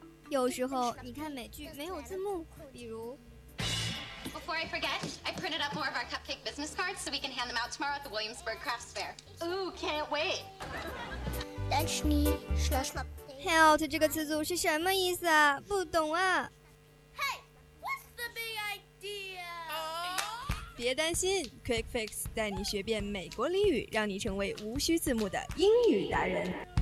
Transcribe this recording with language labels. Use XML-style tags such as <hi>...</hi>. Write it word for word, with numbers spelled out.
<zh>有时候你看美剧没有字幕，比如</zh> <en>Before I forget, I printed up more of our cupcake business cards so we can hand them out tomorrow at the Williamsburg Crafts Fair. Ooh, can't wait!</en> <zh>但是你说什么 Help 这个词组是什么意思啊？不懂啊。</zh> <en>Hey, what's the big idea?、 Oh.</en> <zh>别担心 ，Quick Fix 带你学遍美国俚语，让你成为无需字幕的英语达人。</zh>